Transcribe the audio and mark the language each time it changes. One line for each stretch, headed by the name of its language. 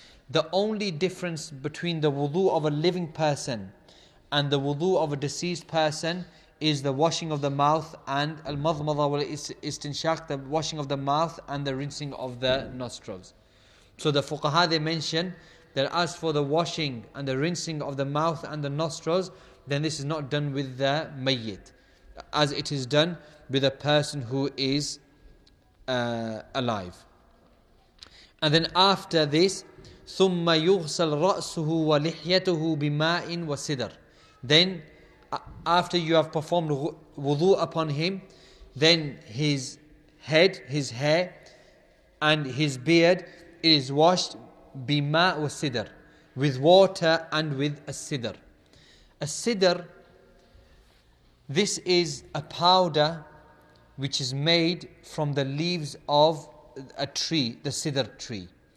English: The only difference between the wudu of a living person and the wudu of a deceased person is the washing of the mouth and al-madhmadha wal istinshaq, the washing of the mouth and the rinsing of the nostrils. So the fuqaha, they mention that as for the washing and the rinsing of the mouth and the nostrils, then this is not done with the mayyit, as it is done with a person who is alive. And then after this,
Arabic: ثُمَّ يُغْسَلْ رَأْسُهُ وَلِحْيَتُهُ بِمَاءٍ وَسِدَرٍ.
English: Then after you have performed wudu upon him, then his head, his hair, and his beard is washed bima wa sidr, with water and with a sidr. A sidr, this is a powder which is made from the leaves of a tree, the sidr tree.